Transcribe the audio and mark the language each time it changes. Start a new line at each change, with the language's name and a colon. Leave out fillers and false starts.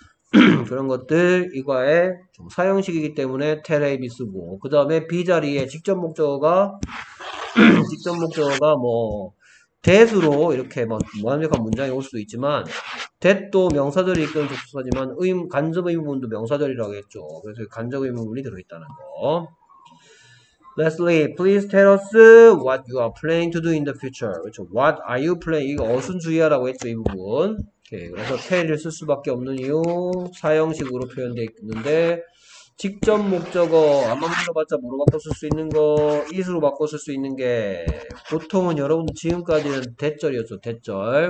Korean: 그런 것들 이과의 좀 사형식이기 때문에 tell A, B 쓰고 그 다음에 B 자리에 직접 목적어가 직접 목적어가 뭐 that으로 이렇게 막 완벽한 문장이 올 수도 있지만 that도 명사절이 있거나 접속사지만 간접 의문문도 명사절이라고 했죠. 그래서 간접 의문문이 들어있다는 거.
English: Lastly, please tell us what you are planning to do in the future.
Korean: 그렇죠?
English: What are you planning?
Korean: 이거 어순주의하라고 했죠, 이 부분. 오케이, 그래서 tell을 쓸 수밖에 없는 이유, 사형식으로 표현되어 있는데 직접 목적어, 안만 물어봤자 뭐로 바꿔 쓸수 있는 거, is로 바꿔 쓸수 있는 게 보통은 여러분 지금까지는 대절이었죠, 대절.